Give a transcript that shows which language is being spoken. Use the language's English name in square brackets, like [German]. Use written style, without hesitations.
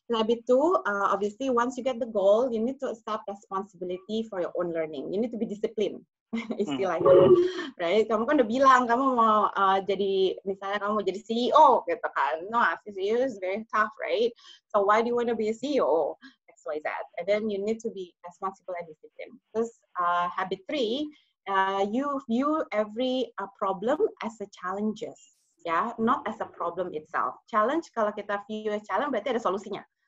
[English] Number two, obviously once you get the goal, you need to accept responsibility for your own learning. You need to be disciplined. [Indonesian] Istilahnya, [English] right? [Indonesian] Kamu kan udah bilang kamu mau jadi, misalnya kamu mau jadi CEO gitu kan. [English] No, CEO is very tough, right? So why do you want to be a CEO? X, Y, Z. And then you need to be responsible and disciplined. [Indonesian] Terus [English] habit three, you view every problem as a challenges, yeah? Not as a problem itself. Challenge, [Indonesian] kalau kita [English] view as challenge [Indonesian] berarti ada solusinya.